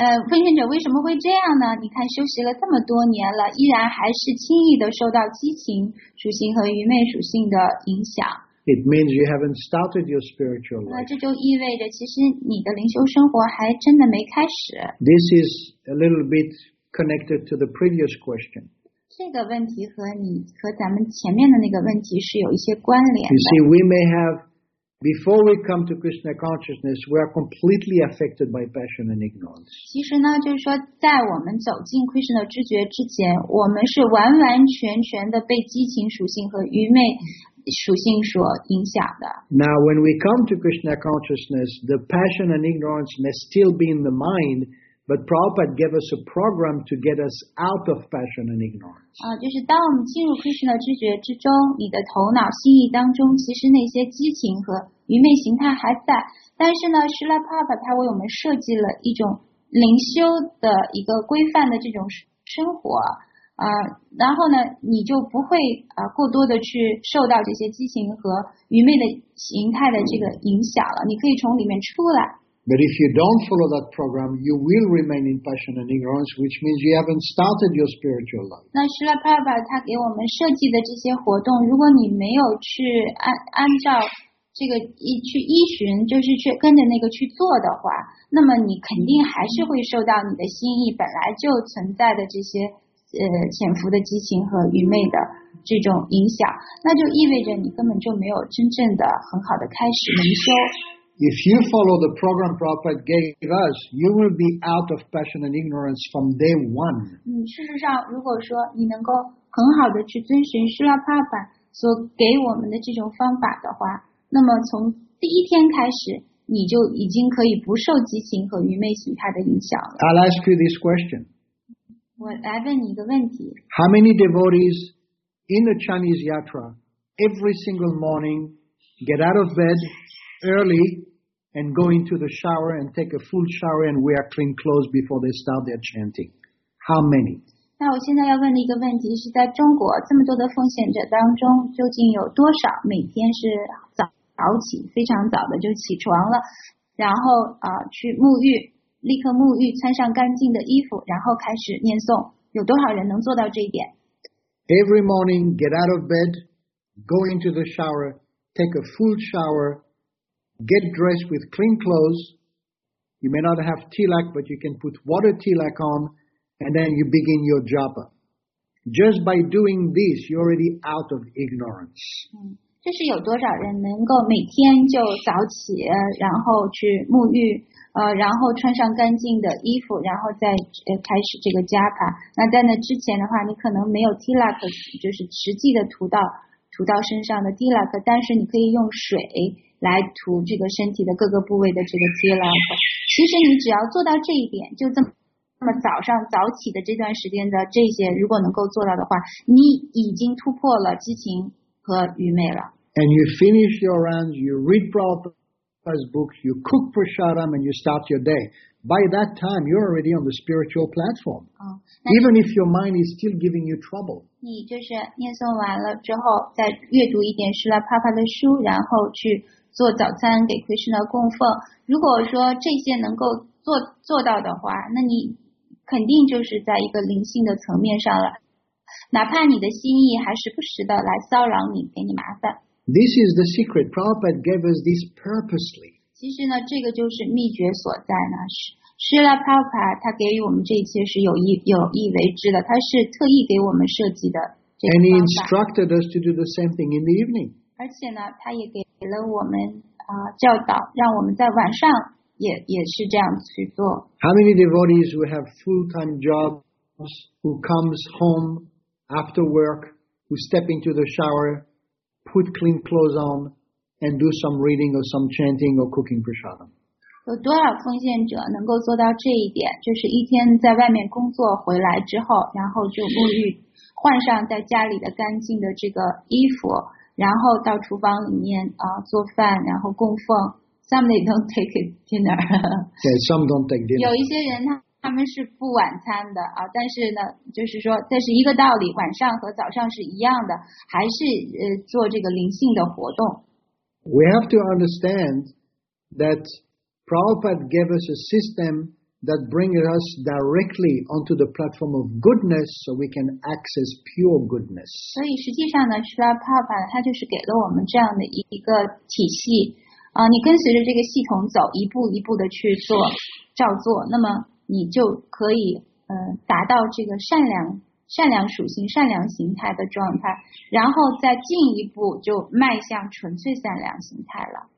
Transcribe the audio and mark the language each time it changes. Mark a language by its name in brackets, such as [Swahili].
[Chinese] 奉献者为什么会这样呢？你看修习了这么多年了，依然还是轻易的受到激情属性和愚昧属性的影响。 [English] It means you haven't started your spiritual life. [Chinese] 这就意味着其实你的灵修生活还真的没开始。 [English] This is a little bit connected to the previous question. [Chinese] 这个问题和咱们前面的那个问题是有一些关联的。 [English] You see, we may have, before we come to Krishna consciousness, we are completely affected by passion and ignorance. [Chinese] 其实呢，就是说在我们走进 Krishna 知觉之前，我们是完完全全的被激情属性和愚昧属性所影响的。 [English] Now, when we come to Krishna consciousness, the passion and ignorance may still be in the mind, but Prabhupada gave us a program to get us out of passion and ignorance. [Chinese] 就是当我们进入 Krishna 知觉之中，你的头脑、心意当中，其实那些激情和愚昧形态还在，但是呢，是来 Prabhupada 他为我们设计了一种灵修的一个规范的这种生活。然后呢，你就不会过多的去受到这些激情和愚昧的形态的这个影响了，你可以从里面出来。 [English] But if you don't follow that program, you will remain in passion and ignorance, which means you haven't started your spiritual life. [Chinese] 那是啦，帕巴他给我们设计的这些活动，如果你没有去按照这个去依循，就是去跟着那个去做的话，那么你肯定还是会受到你的心意本来就存在的这些潜伏的激情和愚昧的这种影响，那就意味着你根本就没有真正的很好的开始灵修。 [English] If you follow the program Prabhupada gave us, you will be out of passion and ignorance from day one. [Chinese] 事实上，如果说你能够很好的去遵循释迦帕巴所给我们的这种方法的话，那么从第一天开始，你就已经可以不受激情和愚昧形态的影响了。 [English] I'll ask you this question. [Chinese] 我来问你一个问题。 [English] How many devotees in the Chinese Yatra every single morning get out of bed early and go into the shower and take a full shower and wear clean clothes before they start their chanting? How many? [Chinese] 那我现在要问的一个问题是，在中国这么多的奉献者当中，究竟有多少每天是早起，非常早的就起床了，然后去沐浴？立刻沐浴，穿上干净的衣服，然后开始念诵。有多少人能做到这一点？ [English] Every morning, get out of bed, go into the shower, take a full shower, get dressed with clean clothes. You may not have tilak, but you can put water tilak on, and then you begin your japa. Just by doing this, you're already out of ignorance. [Chinese] 这是有多少人能够每天就早起，然后去沐浴？然后穿上干净的衣服，然后再开始这个japa。那在那之前的话，你可能没有 tilak， 就是实际的涂到身上的 tilak， 但是你可以用水来涂这个身体的各个部位的这个 tilak。其实你只要做到这一点，就这么早上早起的这段时间的这些，如果能够做到的话，你已经突破了激情和愚昧了。 [English] And you finish your rounds, you read properas books, you cook prasadam and you start your day. By that time, you're already on the spiritual platform. Even if your mind is still giving you trouble. [Chinese] 你就是念诵完了之后，再阅读一点释迦帕巴的书，然后去做早餐给 Krishna 供奉。如果说这些能够做到的话，那你肯定就是在一个灵性的层面上了。哪怕你的心意还时不时的来骚扰你，给你麻烦。 [English] This is the secret. Prabhupada gave us this purposely. [Chinese] 其实呢，这个就是秘诀所在呢。 Srila Prabhupada 他给予我们这些是有意为之的，他是特意给我们设计的这个方法。 [English] And he instructed us to do the same thing in the evening. [Chinese] 而且呢，他也给了我们啊、教导，让我们在晚上也是这样去做。 [English] How many devotees who have full-time jobs who comes home after work, who step into the shower, put clean clothes on, and do some reading or some chanting or cooking prasadam? [Chinese] 有多少奉献者能够做到这一点？就是一天在外面工作回来之后，然后就沐浴，换上在家里的干净的这个衣服。然后到厨房里面啊、做饭，然后供奉。 [English] Some they don't take dinner. Yeah, some don't take dinner. [Chinese] 有一些人他们是不晚餐的啊，但是呢，就是说这是一个道理，晚上和早上是一样的，还是做这个灵性的活动。 [English] We have to understand that Prabhupada gave us a system that brings us directly onto the platform of goodness, so we can access pure goodness. [Chinese] 所以实际上呢，释迦帕巴他就是给了我们这样的一个体系啊，你跟随着这个系统走，一步一步的去做，照做，那么你就可以达到这个善良属性、善良形态的状态，然后再进一步就迈向纯粹善良形态了。